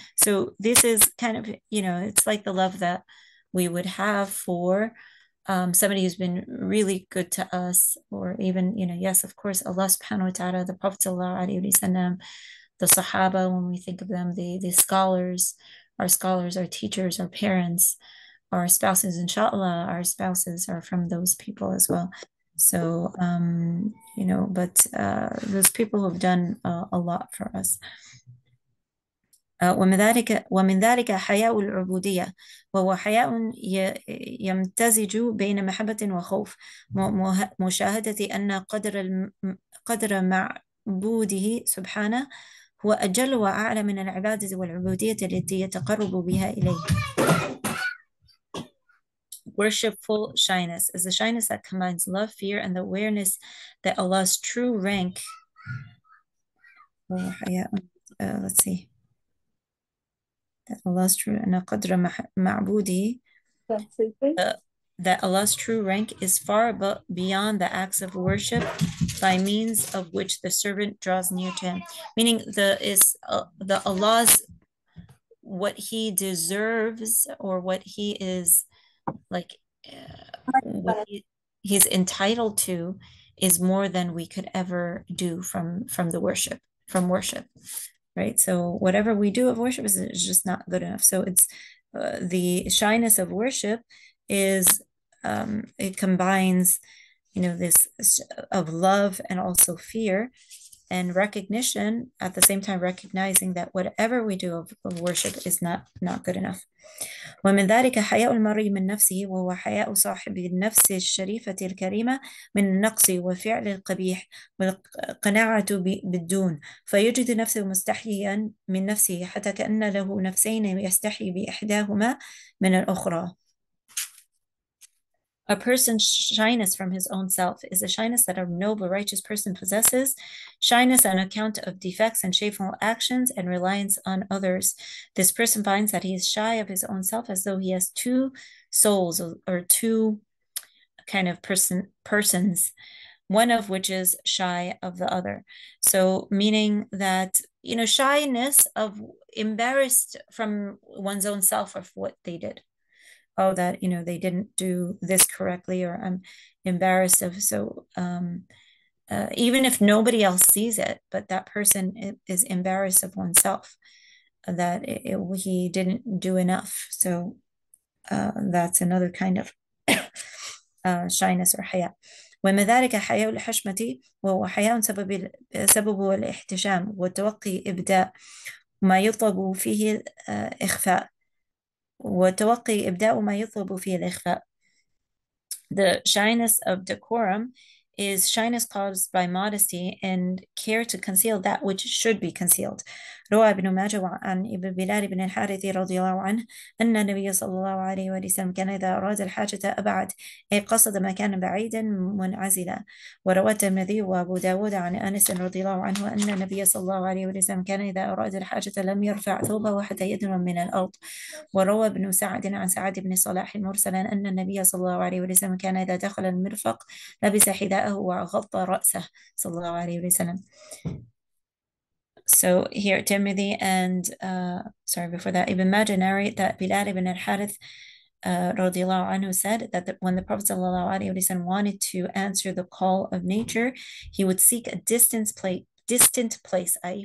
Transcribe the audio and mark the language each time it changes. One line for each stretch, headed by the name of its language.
English: So this is kind of, you know, it's like the love that we would have for somebody who's been really good to us, or even, you know, yes, of course, Allah subhanahu wa ta'ala, the Prophet sallallahu alayhi wa sallam, the Sahaba, when we think of them, the scholars, our teachers, our parents, our spouses, inshallah, our spouses are from those people as well. So, you know, but those people who have done a lot for us.
Arabic: ومن ذلك حياء العبودية وهو حياء يمتزج بين محبة وخوف مشاهدة أن قدر معبوده سبحانه هو أجل وأعلى من العبادة والعبودية التي يتقرب بها إليه.
English: worshipful shyness is a shyness that combines love, fear, and the awareness that Allah's true rank. Let's see. That Allah's true
Arabic: أنا قدر معبودي.
English: That Allah's true rank is far but beyond the acts of worship by means of which the servant draws near to him. Meaning the Allah's what he deserves or what he is like what he's entitled to is more than we could ever do from worship, right? So whatever we do of worship is just not good enough. So it's the shyness of worship is it combines, you know, this of love and also fear and recognition at the same time, recognizing that whatever we do of worship is not good enough.
Arabic: ومن ذلك حياء المرء من نفسه وهو حياء صاحب النفس الشريفة الكريمة من النقص وفعل القبيح والقناعة بالدون فيجد نفسه مستحيا من نفسه حتى كأن له نفسين يستحي بإحداهما من الأخرى.
English: A person's shyness from his own self is a shyness that a noble, righteous person possesses, shyness on account of defects and shameful actions and reliance on others. This person finds that he is shy of his own self as though he has two souls or two kind of persons, one of which is shy of the other. So meaning that, you know, shyness of embarrassed from one's own self of what they did. Oh, that, you know, they didn't do this correctly, or I'm embarrassed of. So even if nobody else sees it, but that person is embarrassed of oneself, that he didn't do enough. So that's another kind of shyness or haya.
Arabic: ومن ذلك حياء الحشمة وهو حياء سبب الاحتشام والتوقي إبداء ما يطلب فيه إخفاء. وتوقي إبداء ما يطلب فيه الإخفاء.
English: The shyness of decorum is shyness caused by modesty and care to conceal that which should be concealed.
Arabic: روى ابن ماجه عن ابن بلال بن الحارث رضي الله عنه أن النبي صلى الله عليه وسلم كان إذا أراد الحاجة أبعد أي قصد مكانا بعيدا منعزلا. وروى الترمذي وأبو داود عن أنس رضي الله عنه أن النبي صلى الله عليه وسلم كان إذا أراد الحاجة لم يرفع ثوبه حتى يدنو من الأرض. وروى ابن سعد عن سعد بن صلاح المرسل أن النبي صلى الله عليه وسلم كان إذا دخل المرفق لبس حذاءه وغطى رأسه صلى الله عليه وسلم.
English: So here, Tirmidhi and sorry, before that, Ibn Majah narrate that Bilal ibn al-Harith radiallahu anhu said that when the Prophet sallallahu alaihi wasallam wanted to answer the call of nature, he would seek a distant place, i.e.